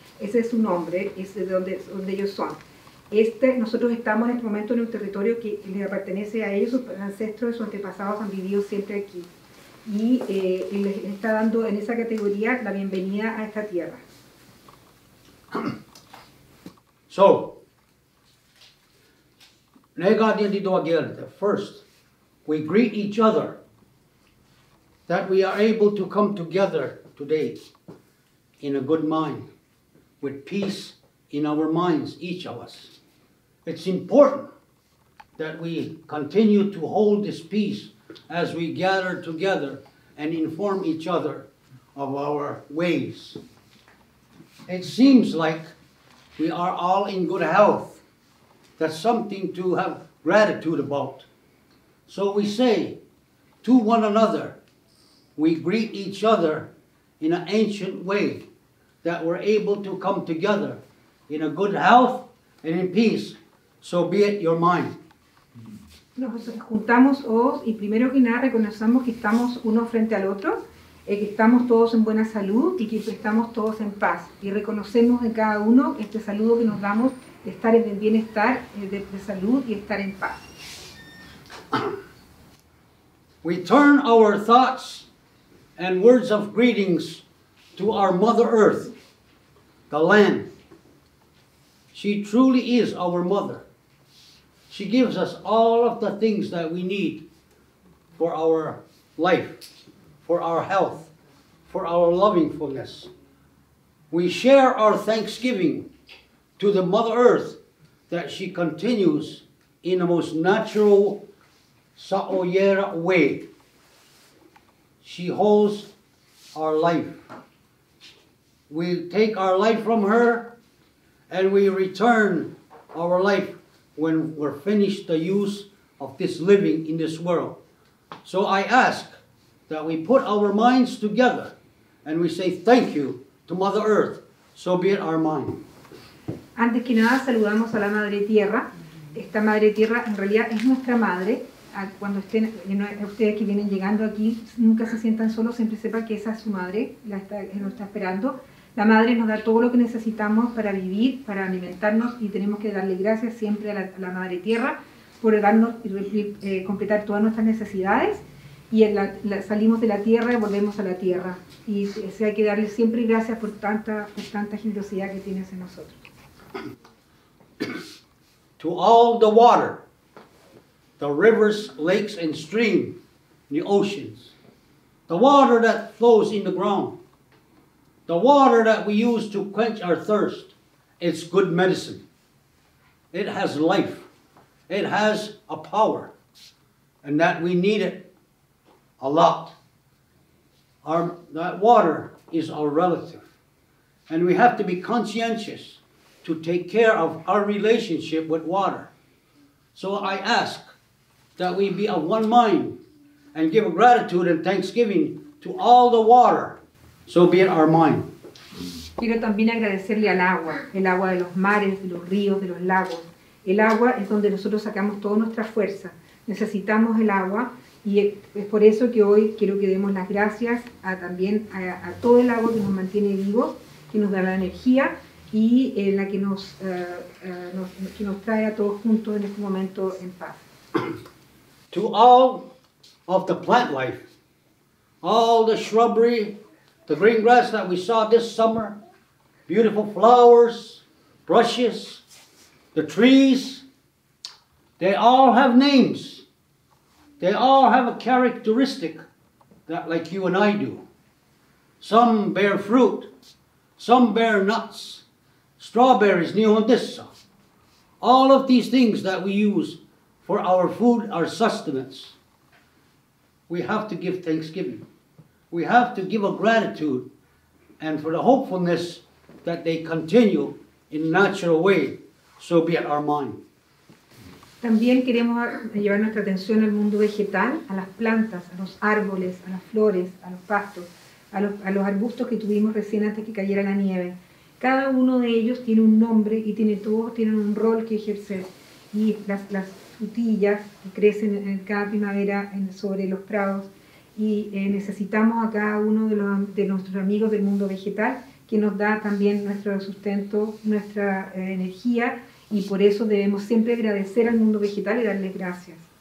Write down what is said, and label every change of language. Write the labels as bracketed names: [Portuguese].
[Spanish] Ese es su nombre, es de donde ellos son. Nosotros estamos en este momento en un territorio que le pertenece a ellos, sus ancestros, sus antepasados han vivido siempre aquí. Y les está dando en esa categoría la bienvenida a esta tierra. [English] So, negativo again, first, we greet each other. That we are able to come together today in a good mind, with peace in our minds, each of us. It's important that we continue to hold this peace as we gather together and inform each other of our ways. It seems like we are all in good health. That's something to have gratitude about. So we say to one another, we greet each other in an ancient way that we're able to come together in a good health and in peace. So be it your mind. [Spanish] Nos juntamos hoy y primero que nada reconocemos que estamos uno frente al otro, que estamos todos en buena salud y que estamos todos en paz. Y reconocemos en cada uno este saludo que nos damos de estar en bienestar, de salud y estar en paz. [English] We turn our thoughts and words of greetings to our Mother Earth, the land. She truly is our mother. She gives us all of the things that we need for our life, for our health, for our lovingfulness. We share our thanksgiving to the Mother Earth that she continues in the most natural Sa'oyera way. She holds our life. We take our life from her and we return our life when we're finished the use of this living in this world. So I ask that we put our minds together and we say thank you to Mother Earth. So be it our mind. [Spanish] Antes que nada saludamos a la Madre Tierra. Esta Madre Tierra en realidad es nuestra madre. Cuando estén ustedes que vienen llegando aquí, nunca se sientan solos, siempre sepan que esa es su madre, nos está esperando. La madre nos da todo lo que necesitamos para vivir, para alimentarnos, y tenemos que darle gracias siempre a la Madre Tierra por darnos y completar todas nuestras necesidades. Y salimos de la tierra y volvemos a la tierra. Y hay que darle siempre gracias por tanta generosidad que tiene hacia nosotros. [English] To all the water, the rivers, lakes, and streams, the oceans, the water that flows in the ground, the water that we use to quench our thirst, it's good medicine. It has life. It has a power, and that we need it a lot. That water is our relative, and we have to be conscientious to take care of our relationship with water. So I ask that we be of one mind and give gratitude and thanksgiving to all the water, so be it our mind. [Spanish] Quiero también agradecerle al agua, el agua de los mares, de los ríos, de los lagos. El agua es donde nosotros sacamos toda nuestra fuerza. Necesitamos el agua y es por eso que hoy quiero que demos las gracias también a todo el agua que nos mantiene vivos, que nos da la energía y en la que nos trae a todos juntos en este momento en paz. [English] To all of the plant life, all the shrubbery, the green grass that we saw this summer, beautiful flowers, brushes, the trees, they all have names. They all have a characteristic that like you and I do. Some bear fruit, some bear nuts, strawberries, neonthissa. All of these things that we use for our food, our sustenance, we have to give thanksgiving. We have to give a gratitude and for the hopefulness that they continue in a natural way, so be it our mind. [Spanish] También queremos llevar nuestra atención al mundo vegetal, a las plantas, a los árboles, a las flores, a los pastos, a los arbustos que tuvimos recién antes que cayera la nieve. Cada uno de ellos tiene un nombre y todos tienen un rol que ejercer. Y las frutillas que crecen en cada primavera sobre los prados y necesitamos a cada uno de nuestros amigos del mundo vegetal que nos da también nuestro sustento, nuestra energía y por eso debemos siempre agradecer al mundo vegetal y darles gracias.